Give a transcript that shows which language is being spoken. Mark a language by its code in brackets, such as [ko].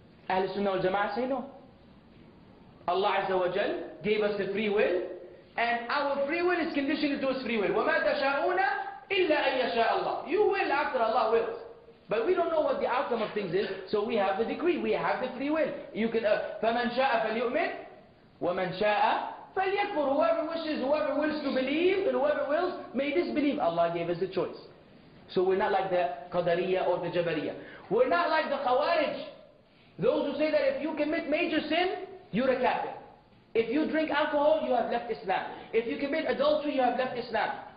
[en] Ahlul Sunnah wal Jama'ah say no. Allah Azza wa Jal gave us the free will, and our free will is conditioned to His free will. [ar] وَمَا تَشَاءُونَ إِلَّا أَن يَشَاءَ اللَّهُ. [en] You will after Allah wills. But we don't know what the outcome of things is, so we have the decree, we have the free will. You can, [ar] فَمَنْ شَاءَ فَلْيُؤْمِنْ وَمَنْ شَاءَ فَلْيَكْفُرْ. [en] Whoever wishes, whoever wills to believe, and whoever wills, may disbelieve. Allah gave us the choice. So we're not like the Qadariya or the Jabariya. We're not like the Khawarij. Those who say that if you commit major sin, you're a kafir. If you drink alcohol, you have left Islam. If you commit adultery, you have left Islam.